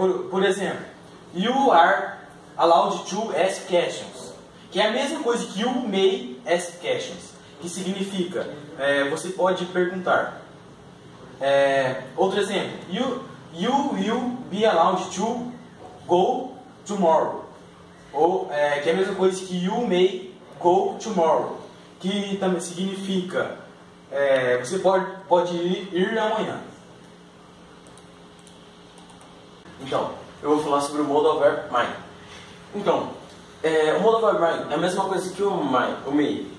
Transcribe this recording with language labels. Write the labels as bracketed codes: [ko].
[pt] Por exemplo, [en] you are allowed to ask questions. [pt] Que é a mesma coisa que [en] you may ask questions, [pt] que significa você pode perguntar. Outro exemplo, [en] you will be allowed to go tomorrow. [pt] Que é a mesma coisa que [en] you may go tomorrow, [pt] que também significa você pode ir amanhã. Então, eu vou falar sobre o modal verb mine. Então, o modal verb may é a mesma coisa que o may.